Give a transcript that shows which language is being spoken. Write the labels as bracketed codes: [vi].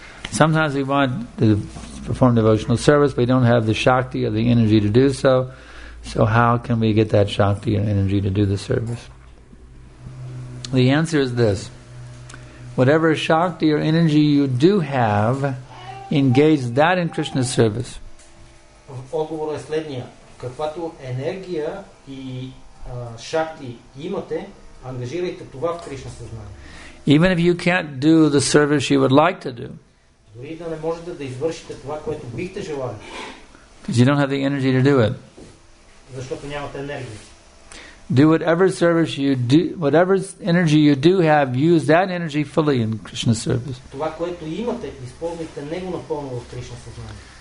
[en] Sometimes we want to perform devotional service, but we don't have the shakti or the energy to do so. So how can we get that shakti and energy to do the service? The answer is this. Whatever shakti or energy you do have, engage that in Krishna service. [bg] Отговорът е следния. Каквато енергия и шакти имате, ангажирайте това в Кришна съзнание. [en] Even if you can't do the service you would like to do. [bg] Дори да не можете да извършите това, което бихте желали. [en] Because you don't have the energy to do it. [bg] Защото нямате енергия. [en] Do whatever service you do, whatever energy you do have, use that energy fully in Krishna's service. [bg] Това, което имате, използвайте него напълно в Кришна съзнание.